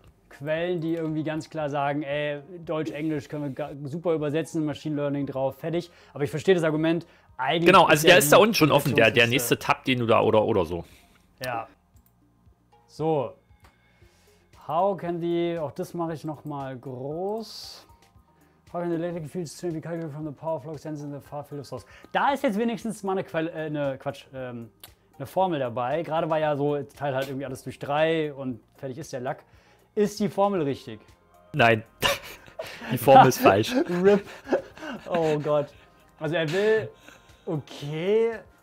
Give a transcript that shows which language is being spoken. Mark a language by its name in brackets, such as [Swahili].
[German] Quellen, die irgendwie ganz klar sagen, Deutsch, Englisch können wir super übersetzen, Machine Learning drauf, fertig. Aber ich verstehe das Argument. Eigentlich genau, also ist der ist da unten schon offen, der nächste Tab, den du da oder so. Ja. So. How can the, auch das mache ich nochmal groß. [English] How can the electric fields to be calculated from the power flow sensors in the far field of source? [German] Da ist jetzt wenigstens mal eine Formel dabei. Gerade war ja so, jetzt teilt halt irgendwie alles durch 3 und fertig ist der Lack. Ist die Formel richtig? Nein. Die Formel ist falsch. RIP. Oh Gott. Also er will. Okay.